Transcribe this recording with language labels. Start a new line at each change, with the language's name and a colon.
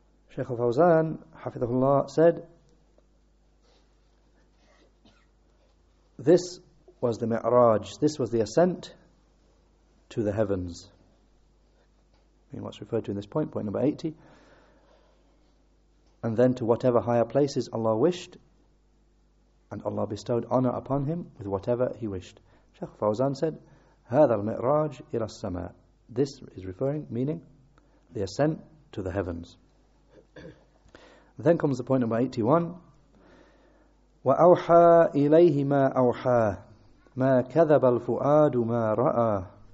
English: Shaykh al-Fawzan, hafidhahullah, said, this was the mi'raj, this was the ascent to the heavens. I mean, what's referred to in this point, point number 80. And then to whatever higher places Allah wished, and Allah bestowed honor upon him with whatever he wished. Shaykh Fawzan said,
Arabic: هذا المعراج إلى السماء.
English: This is referring, meaning, the ascent to the heavens. Then comes the point number 81.
Arabic: وَأَوْحَى إِلَيْهِ مَا أَوْحَى مَا كَذَبَ الْفُؤَادُ مَا رَأَى.